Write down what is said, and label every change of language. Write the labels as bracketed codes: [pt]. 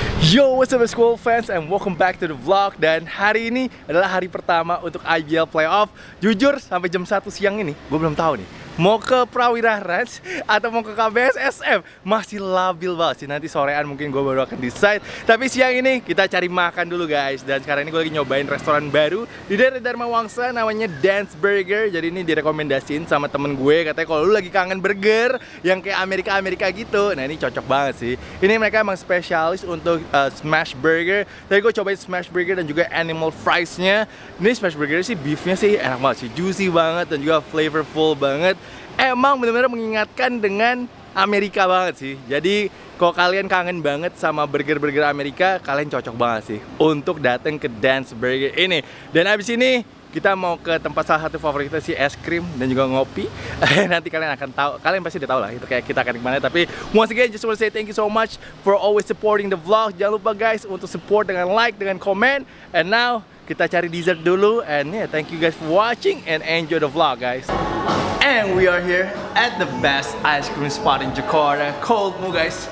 [en] Yo, what's up school fans and welcome back to the vlog. [id] Dan hari ini adalah hari pertama untuk IBL playoff. Jujur sampai jam 1 siang ini gue belum tahu nih, mau ke Prawira Ranch atau mau ke KBS SM, masih labil banget sih. Nanti sorean mungkin gue baru akan decide. Tapi siang ini kita cari makan dulu guys. Dan sekarang ini gue lagi nyobain restoran baru di daerah Dharma Wangsa, namanya Dance Burger. Jadi ini direkomendasiin sama temen gue, katanya kalau lu lagi kangen burger yang kayak Amerika-Amerika gitu, nah ini cocok banget sih. Ini mereka emang spesialis untuk smash burger. Tadi gue cobain smash burger dan juga animal friesnya. Ini smash burger sih beefnya sih enak banget sih, juicy banget dan juga flavorful banget. Emang benar-benar mengingatkan dengan Amerika banget sih. Jadi kalau kalian kangen banget sama burger-burger Amerika, kalian cocok banget sih untuk datang ke Dance Burger ini. Dan abis ini kita mau ke tempat salah satu favorit kita sih, es krim dan juga ngopi. Nanti kalian akan tahu, kalian pasti udah tahu lah itu kayak kita akan kemana. [en] Tapi once again just want to say thank you so much for always supporting the vlog. [id] Jangan lupa guys untuk support dengan like, dengan comment. [en] And now [id] kita cari dessert dulu. [en] And yeah, thank you guys for watching and enjoy the vlog guys. And we are here at the best ice cream spot in Jakarta, Cold Moo guys.